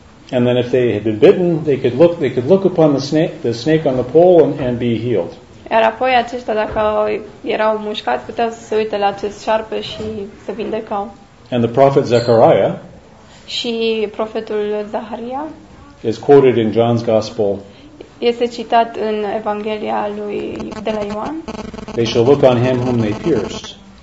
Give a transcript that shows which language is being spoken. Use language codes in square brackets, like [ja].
[en] And then if they had been bitten, they could look upon the snake on the pole and be healed. [ro] Iar apoi aceștia, dacă erau mușcați, puteau să se uite la acest șarpe și să vindecau. [en] And the prophet Zechariah. [ro] Și profetul Zaharia. [en] Is quoted in John's Gospel. [ro] Este citat în Evanghelia lui de la Ioan. [en] They shall look on him whom they pierced.